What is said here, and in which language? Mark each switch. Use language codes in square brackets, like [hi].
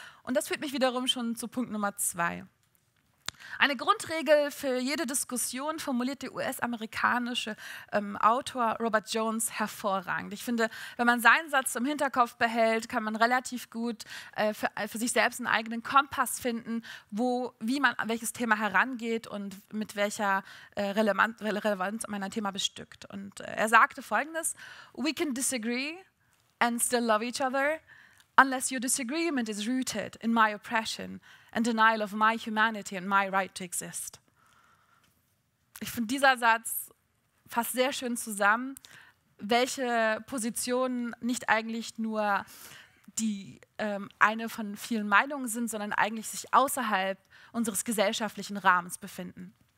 [de] Und das führt mich wiederum schon zu Punkt Nummer zwei. Eine Grundregel für jede Diskussion formuliert der US-amerikanische Autor Robert Jones hervorragend. Ich finde, wenn man seinen Satz im Hinterkopf behält, kann man relativ gut für sich selbst einen eigenen Kompass finden, welches Thema herangeht und mit welcher Relevanz man ein Thema bestückt. Und er sagte Folgendes: [en] We can disagree and still love each other, unless your disagreement is rooted in my oppression and denial of my humanity and my right to exist. [de] Ich finde, dieser Satz fasst sehr schön zusammen, welche Positionen nicht eigentlich nur die eine von vielen Meinungen sind, sondern eigentlich sich außerhalb unseres gesellschaftlichen Rahmens befinden.